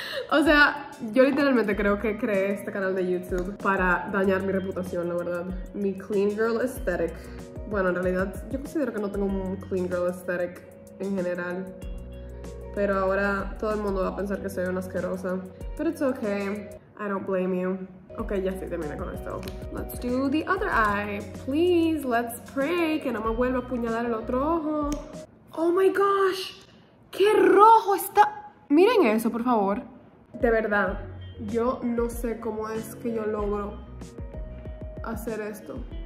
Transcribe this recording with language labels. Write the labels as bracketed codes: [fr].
[es] O sea, yo literalmente creo que creé este canal de YouTube para dañar mi reputación, la verdad. Mi clean girl aesthetic. Bueno, en realidad, yo considero que no tengo un clean girl aesthetic en general, pero ahora todo el mundo va a pensar que soy una asquerosa. Pero [en] it's okay, I don't blame you. [es] Okay, ya sí terminé con esto. [en] Let's do the other eye. Please, let's pray [es] que no me vuelva a apuñalar el otro ojo. [en] Oh my gosh, [es] ¡Qué rojo está! Miren eso, por favor. De verdad, yo no sé cómo es que yo logro hacer esto.